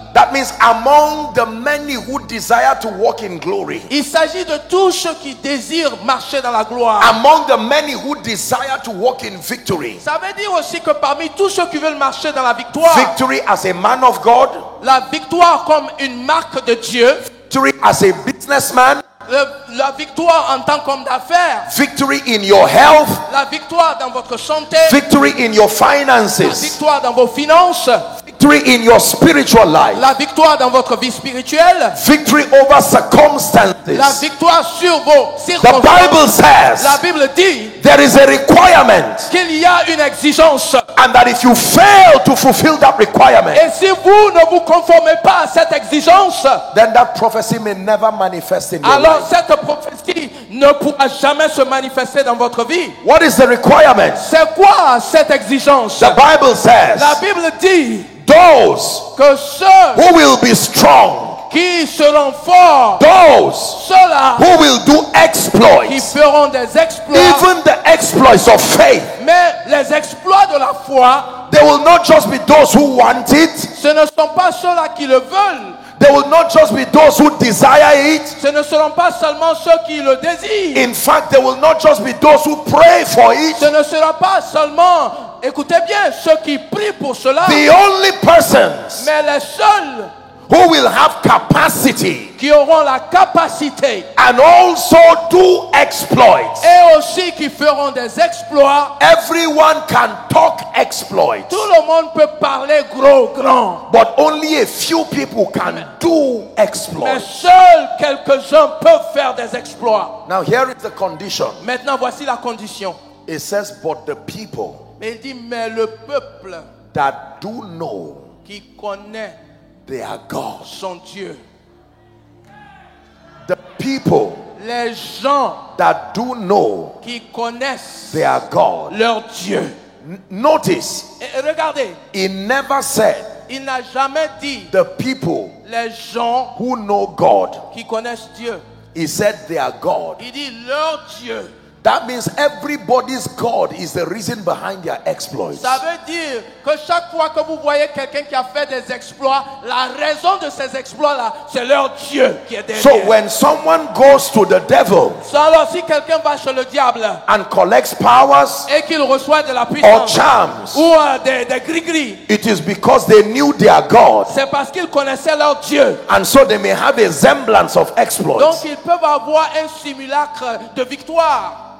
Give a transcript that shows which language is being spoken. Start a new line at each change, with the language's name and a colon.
English: that means among the many who desire to walk in glory,
French: il s'agit de tous ceux qui désirent marcher dans la gloire,
English: among the many who desire to walk in victory,
French: ça veut dire aussi que parmi tous ceux qui veulent marcher dans la victoire,
English: victory as a man of God,
French: la victoire comme une marque de Dieu,
English: victory as a businessman,
French: la victoire en tant qu'homme d'affaires,
English: victory in your health,
French: la victoire dans votre santé,
English: victory in your finances,
French: la victoire dans vos finances,
English: victory in your spiritual life,
French: la victoire dans votre vie spirituelle,
English: victory over circumstances,
French: la victoire sur vos circonstances.
English: The Bible says,
French: la Bible dit,
English: there is a requirement,
French: qu'il y a une exigence,
English: and that if you fail to fulfill that requirement,
French: et si vous ne vous conformez pas à cette exigence,
English: then that prophecy may never manifest in your
French: alors
English: life.
French: Alors cette prophétie ne pourra jamais se manifester dans votre vie.
English: What is the requirement?
French: C'est quoi cette exigence?
English: The Bible says,
French: la Bible dit,
English: those
French: que ceux
English: who will be strong,
French: qui seront forts,
English: those
French: ceux-là
English: who will do exploits,
French: qui feront des exploits,
English: even the exploits of faith,
French: mais les exploits de la foi,
English: they will not just be those who want it,
French: ce ne sont pas ceux-là qui le veulent,
English: they will not just be those who desire it,
French: ce ne seront pas seulement ceux qui le désirent,
English: in fact they will not just be those who pray for it,
French: ce ne sera pas seulement, écoutez bien, ceux qui prient pour cela,
English: the only persons,
French: mais les seuls,
English: who will have capacity,
French: qui auront la capacité,
English: and also do exploits,
French: et aussi qui feront des exploits,
English: everyone can talk exploits,
French: tout le monde peut parler gros grand,
English: but only a few people can do exploits,
French: mais seuls quelques-uns peuvent faire des exploits.
English: Now here is the condition,
French: maintenant voici la condition,
English: it says but the people,
French: mais il dit mais le peuple,
English: that do know,
French: qui connaît,
English: they are God.
French: Son Dieu.
English: The people,
French: les gens,
English: that do know,
French: qui connaissent,
English: they are God.
French: Leur Dieu.
English: Notice.
French: Et regardez.
English: He never said.
French: Il n'a jamais dit.
English: The people,
French: les gens,
English: who know God,
French: qui connaissent Dieu.
English: He said they are God.
French: Il dit leur Dieu.
English: That means everybody's God is the reason behind their exploits.
French: Ça veut dire que chaque fois que vous voyez quelqu'un qui a fait des exploits, la raison de ces exploits-là, c'est leur Dieu qui est derrière.
English: So when someone goes to the devil,
French: alors si quelqu'un va chez le diable,
English: and collects powers,
French: et qu'il reçoit de la puissance,
English: or charms,
French: ou des gris-gris,
English: it is because they knew their God.
French: C'est parce qu'ils connaissaient leur Dieu.
English: And so they may have a semblance of exploits.
French: Donc ils peuvent avoir un simulacre de victoire.